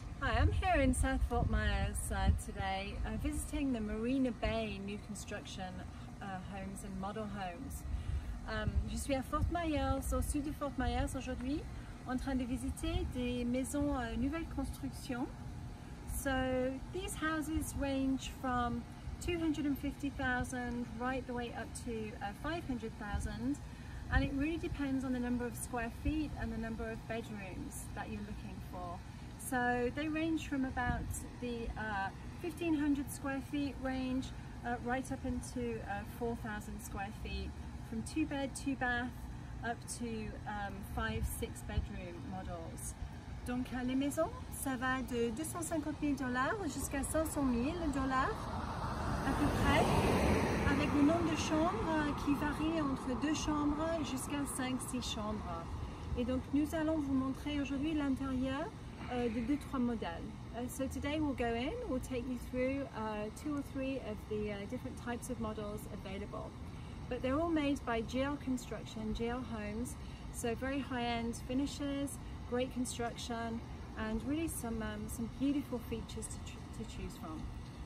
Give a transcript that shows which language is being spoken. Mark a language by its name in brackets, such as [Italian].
[English] I'm here in South Fort Myers today visiting the Marina Bay new construction homes and model homes. [French] Je suis à Fort Myers, au sud de Fort Myers aujourd'hui, en train de visiter des maisons nouvelle construction. [English] So these houses range from 250,000 right the way up to 500,000, and it really depends on the number of square feet and the number of bedrooms that you're looking for. So they range from about the 1500 square feet range right up into 4000 square feet, from two bed, two bath up to five, six bedroom models. [French] Donc les maisons, ça va de 250 000 $ jusqu'à 500 000 $ à peu près, avec le nombre de chambres qui varie entre deux chambres jusqu'à 5-6 chambres. Et donc nous allons vous montrer aujourd'hui l'intérieur de deux, trois modèles. [English] So today we'll go in, we'll take you through two or three of the different types of models available. But they're all made by GL Construction, GL Homes, so very high-end finishes, great construction, and really some beautiful features to choose from.